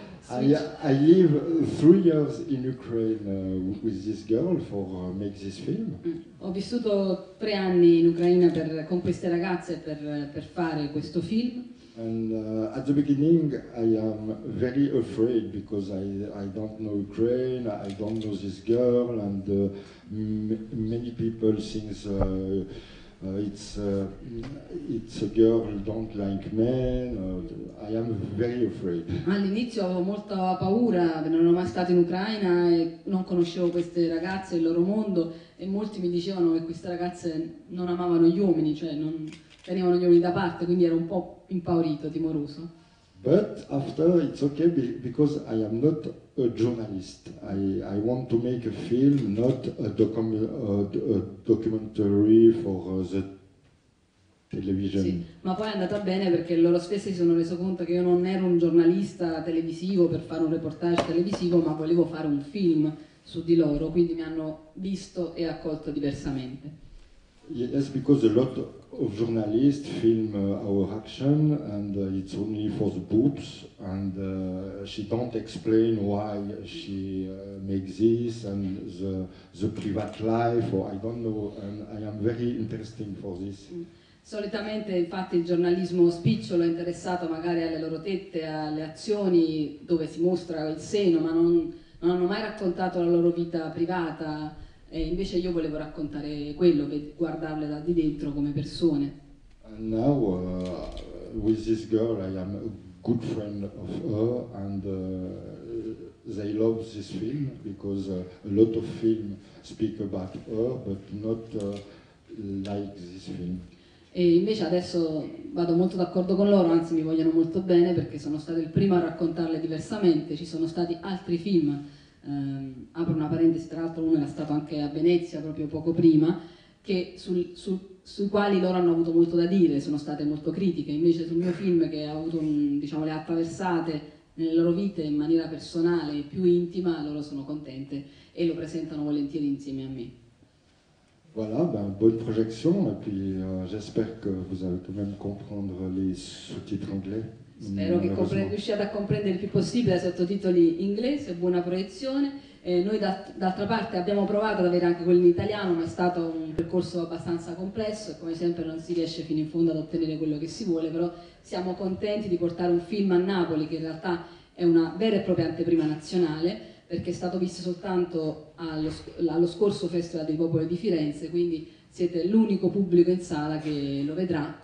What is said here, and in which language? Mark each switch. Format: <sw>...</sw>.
<en>I live 3 years in Ukraine with this girl for make this film.</en> <it>Ho vissuto 3 anni in Ucraina per con queste ragazze per fare questo film.</it> <en>And at the beginning I am very afraid because I don't know Ukraine, I don't know this girl, and many people think it's a girl don't like men. I am very afraid.</en> <it>All'inizio avevo molta paura, non ero mai stato in Ucraina e non conoscevo queste ragazze e il loro mondo, e molti mi dicevano che queste ragazze non amavano gli uomini, cioè non tenevano gli uomini da parte, quindi ero un po' impaurito, timoroso.</it> <en>But after it's okay because I am not a journalist. I want to make a film, not a documentary for the television.</en> <it>Sì, ma poi è andata bene perché loro stessi si sono reso conto che io non ero un giornalista televisivo per fare un reportage televisivo, ma volevo fare un film su di loro, quindi mi hanno visto e accolto diversamente.</it> <en>Yes, because a lot of journalists film our action, and it's only for the boobs, and she don't explain why she makes this, and the private life, or I don't know, and I am very interesting for this.</en> <it>Solitamente infatti il giornalismo spicciolo è interessato magari alle loro tette, alle azioni dove si mostra il seno, ma non hanno mai raccontato la loro vita privata. E invece io volevo raccontare quello, guardarle da di dentro come persone.</it> <en>And now with this girl I am a good friend of her, and they love this film because a lot of film speak about her but not like this film.</en> <it>E invece adesso vado molto d'accordo con loro, anzi mi vogliono molto bene perché sono stato il primo a raccontarle diversamente. Ci sono stati altri film, apro una parentesi, tra l'altro uno era stato anche a Venezia proprio poco prima, che sui quali loro hanno avuto molto da dire, sono state molto critiche. Invece sul mio film, che ha avuto diciamo le attraversate nelle loro vite in maniera personale e più intima, loro sono contente e lo presentano volentieri insieme a me.</it> <fr>Voilà, ben, bonne projection, et puis j'espère que vous allez quand même comprendre les sous-titres anglais.</fr> <it>Spero che riusciate a comprendere il più possibile i sottotitoli inglesi, buona proiezione. Noi d'altra parte abbiamo provato ad avere anche quello in italiano, ma è stato un percorso abbastanza complesso e come sempre non si riesce fino in fondo ad ottenere quello che si vuole, però siamo contenti di portare un film a Napoli che in realtà è una vera e propria anteprima nazionale, perché è stato visto soltanto allo scorso Festival dei Popoli di Firenze, quindi siete l'unico pubblico in sala che lo vedrà.</it>